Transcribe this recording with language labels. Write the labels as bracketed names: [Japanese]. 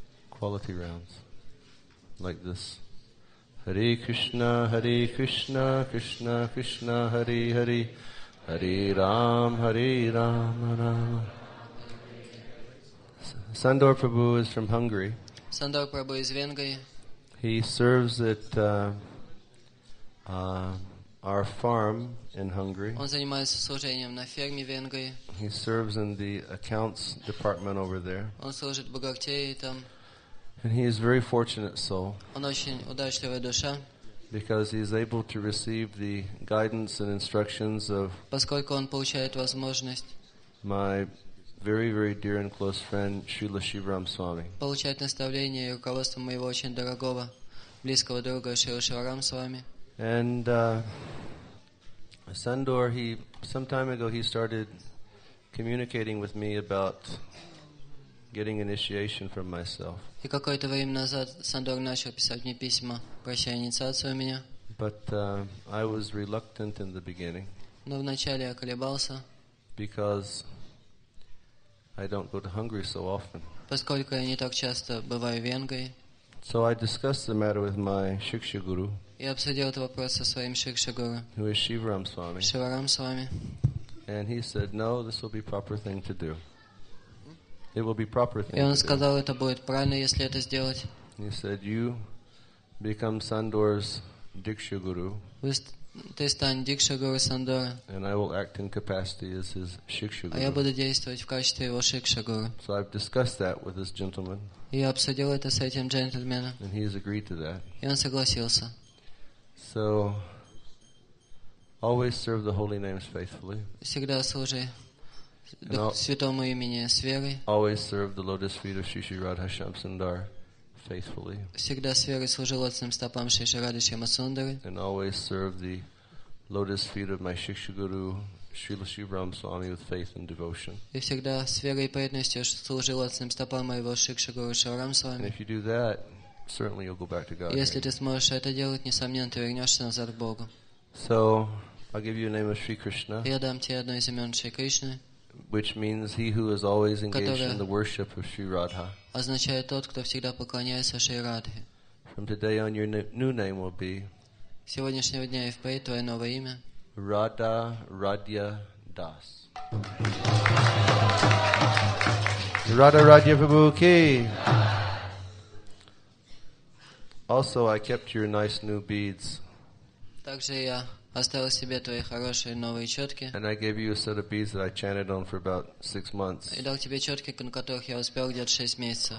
[English] Quality realms. Like this. Hare Krishna, Hare Krishna, Krishna Krishna, Hare Hare, Hare Ram, Hare Ram, Ram. Sandor Prabhu is from Hungary. Sandor Prabhu is [Russian] Венгрии. [English] He serves at our farm in Hungary. [Russian] Он занимается служением на ферме в Венгрии. [English] He serves in the accounts department over there. [Russian] Он служит в бухгалтерии там. [English] And he is a very fortunate soul. [Russian] Он очень удачливая душа. [English] Because he is able to receive the guidance and instructions of. [Russian] Поскольку он получает возможность. [English] My very, very dear and close friend, Srila Shivaram Swami. [Russian] Получает наставление и руководство моего очень дорогого, близкого друга Шрила Шиварам Свами. [English] And Sandor, he some time ago he started communicating with me about getting initiation from myself. [Russian] И какое-то время назад Сандор начал писать мне письма, прося инициацию у меня. [English] But I was reluctant in the beginning. [Russian] Но вначале я колебался. [English] Because I don't go to Hungary so often. [Russian] Поскольку я не так часто бываю в Венгрии. [English] So I discussed the matter with my Shiksha Guru. [Russian] Я обсудил этот вопрос со своим Shiksha Guru. [English] Who is Shivaram Swami. Shivaram Swami. And he said, no, this will be proper thing to do. It will be proper thing. [Russian] И он сказал, это будет правильно, если это сделать. [English] He said, you become Sandor's Diksha Guru. [Russian] Ты станешь Дикша Гуру Сандора. [English] And I will act in capacity as his Shiksha Guru. [Russian] А я буду действовать в качестве его Shiksha Guru. [English] So I've discussed that with this gentleman. [Russian] И я обсудил это с этим джентльменом. [English] And he has agreed to that. [Russian] И он согласился. [English] So always serve the holy names faithfully. [Russian] Всегда служи святому имени с верой. [English] Always serve the lotus feet of Shishi Radha Shamsundar. Faithfully. [Russian] Всегда с верой служил отцам стопам Шиши Рады Шрима Сундары. [English] And always serve the lotus feet of my Shiksha Guru Srila Shivaram Swami with faith and devotion. [Russian] И всегда с верой и преданностью служил отцам стопам моего Шиксха Гуру Шиварам Свами. [English] And if you do that, certainly you'll go back to God. [Russian] Если ты сможешь это делать, несомненно, ты вернешься назад к Богу. [English] So, I'll give you a name of Sri Krishna. [Russian] Я дам тебе одно из имен Шри Кришны. [English] Which means he who is always engaged in the worship of Sri Radha. [Russian] Означает тот, кто всегда поклоняется Шри Радхе. [English] From today on, your new name will be. [Russian] Сегодняшнего дня и впредь твое новое имя. [English] Radha Radya Das. Radha Radya Prabhu Ki. Also, I kept your nice new beads. [Russian] Также я. Оставил себе твои хорошие новые четки. [English] And I gave you a set of beads that I chanted on for about 6 months. [Russian] И дал тебе четки, на которых я успел где-то 6 месяцев.